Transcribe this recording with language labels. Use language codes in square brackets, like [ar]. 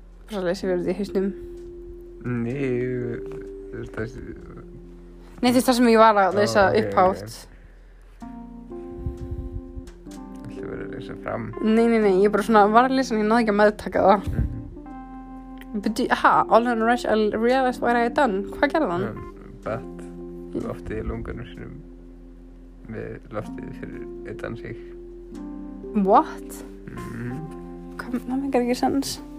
[is] Bara lesa við þetta í hausnum. Nei, þetta er... Nei, þetta er það sem ég var að lesa upphátt. Ætli verið að lesa fram. Nei, ég bara svona var að lesa hann, ég náði ekki að meðtaka það. Mm-hmm. [en] But ha, all in a rush, I realized what I had done. [is] Hvað gerði hann? Bætt loftið í lungunum sinum með loftið fyrir utan sig. [en] What? [is] Hvað, það mikið ekki sens?